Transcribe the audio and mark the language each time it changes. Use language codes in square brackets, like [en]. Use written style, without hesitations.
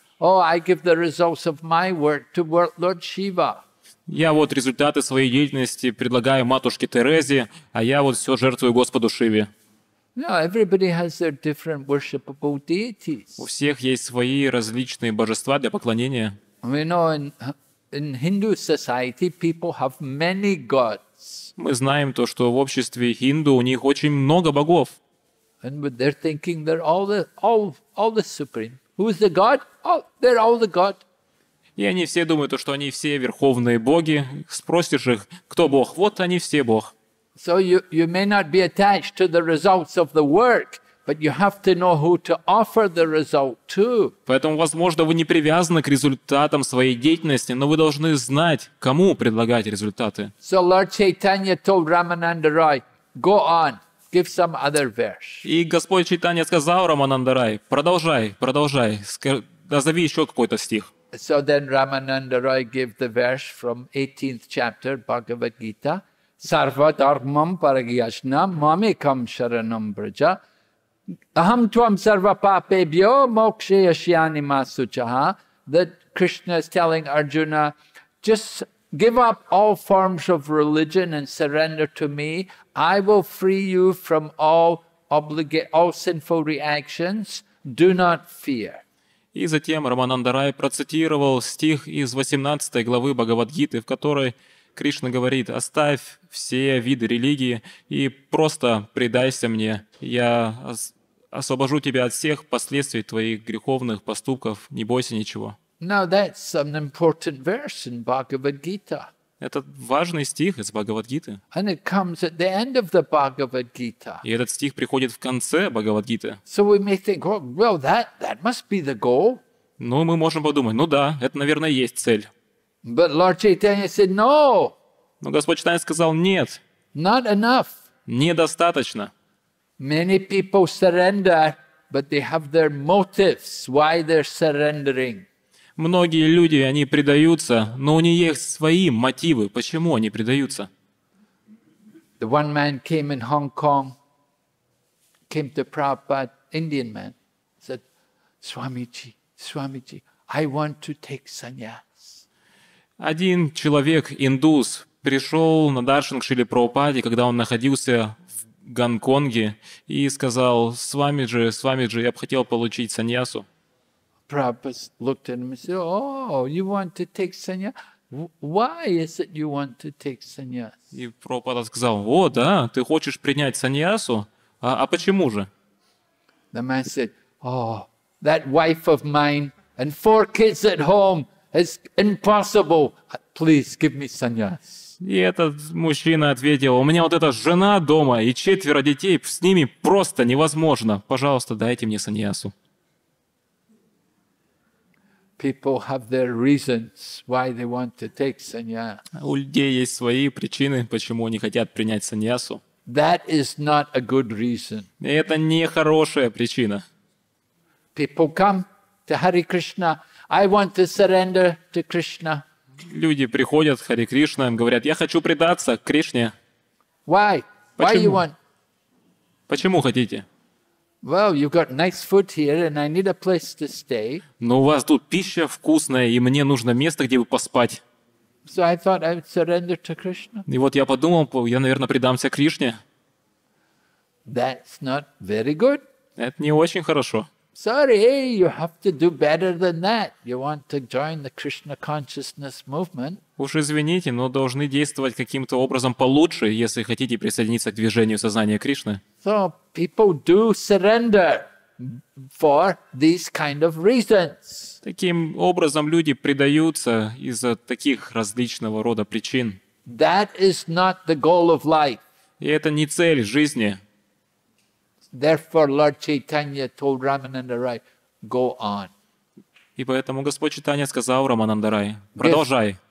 [en] Oh, I give the results of my work to Lord Shiva. [ru] Я вот результаты своей деятельности предлагаю матушке Терезе, а я вот все жертвую Господу Шиве. [en] No, everybody has their different worshipable deities. [ru] У всех есть свои различные божества для поклонения. [en] We know in Hindu society people have many gods. [ru] Мы знаем то, что в обществе хинду у них очень много богов. [en] And they're thinking they're all the supreme. Who is the god? Oh, they're all the god. [ru] И они все думают, что они все верховные боги. Спросишь их, кто бог? Вот они все бог. [en] So you may not be attached to the results of the work, But you have to know who to offer the result to. [ru] Поэтому, возможно, вы не привязаны к результатам своей деятельности, но вы должны знать, кому предлагать результаты. [en] So Lord Chaitanya told Ramananda Roy, go on, give some other verse. [ru] И Господь Чайтанья сказал Рамананда Рай, продолжай, продолжай, назови еще какой-то стих. [en] So then Ramananda Roy gave the verse from 18th chapter Bhagavad Gita, [sa] Sarva Dharmam Paragyasna Mamikam Sharanam Braja. Aham tvam sarva papebhyo mokshe yashyani masuchaha. [en] That Krishna is telling Arjuna, just give up all forms of religion and surrender to me. I will free you from all sinful reactions. Do not fear. [ru] И затем Рамананда Рай процитировал стих из 18 главы Бхагавад-гиты, в которой Кришна говорит, оставь все виды религии и просто предайся мне. Я освобожу тебя от всех последствий твоих греховных поступков. Не бойся ничего. [en] Now that's an important verse in Bhagavad-gita. [ru] Это важный стих из Бхагавад-гиты. [en] And it comes at the end of the Bhagavad-gita. [ru] И этот стих приходит в конце Бхагавад-гиты. [en] So we may think, oh, well, that must be the goal. [ru] Ну, мы можем подумать, ну да, это, наверное, есть цель. [en] But Lord Chaitanya said, no. [ru] Но Господь Чайтанья сказал, нет. [en] Not enough. [ru] Недостаточно. [en] Many people surrender, but they have their motives why they're surrendering. [ru] Многие люди, они предаются, но у них есть свои мотивы, почему они предаются. [en] The one man came in Hong Kong, came to Prabhupada, Indian man, said, Swamiji, Swamiji, I want to take sannyas. [ru] Один человек, индус, пришел на даршан к Шриле Прабхупаде, когда он находился в Гонконге, и сказал, Свамиджи, я бы хотел получить саньясу. [en] Prabhupada looked at him and said, oh, you want to take sannyas? Why is it you want to take sannyas? [ru] И Прабхупада сказал, о, да, ты хочешь принять саньясу? А почему же? [en] The man said, oh, that wife of mine and four kids at home is impossible. Please give me sannyas. [ru] И этот мужчина ответил, у меня вот эта жена дома и четверо детей, с ними просто невозможно. Пожалуйста, дайте мне саньясу. [en] People have their reasons why they want to take sannyas. [ru] У людей есть свои причины, почему они хотят принять саньясу. [en] That is not a good reason. [ru] Это не хорошая причина. [en] People come to Hare Krishna. I want to surrender to Krishna. [ru] Люди приходят к Харе Кришне, говорят, я хочу предаться Кришне. [en] Why? [ru] Почему? [en] Why you want? [ru] Почему хотите? [en] Well, you've got nice food here, and I need a place to stay. [ru] Но у вас тут пища вкусная, и мне нужно место, где бы поспать. [en] So I thought I would surrender to Krishna. [ru] И вот я подумал, я, наверное, предамся Кришне. [en] That's not very good. [ru] Это не очень хорошо. [en] Sorry, you have to do better than that. You want to join the Krishna consciousness movement. [ru] Уж извините, но должны действовать каким-то образом получше, если хотите присоединиться к движению сознания Кришны. [en] So people do surrender for these kind of reasons. [ru] Таким образом люди предаются из-за таких различного рода причин. [en] That is not the goal of life. [ru] И это не цель жизни. [en] Therefore, Lord Chaitanya told Ramananda Rai, "Go on." [ru] И поэтому Господь Чайтанья сказал Рамананда Рай, продолжай.